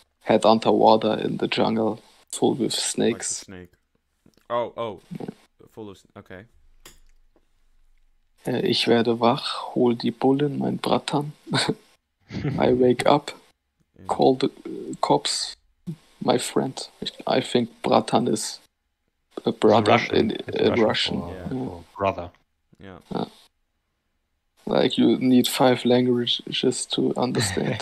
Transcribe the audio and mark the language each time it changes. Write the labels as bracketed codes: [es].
[en] head underwater in the jungle, full with snakes. Like a snake. Oh. Full of snakes. Okay. [de] Ich werde wach, hol die Bullen, mein Bratan. [en] I wake up, call the cops, my friend. I think Bratan is. A brother Russian. In Russian. Brother. Yeah. Like you need 5 languages to understand.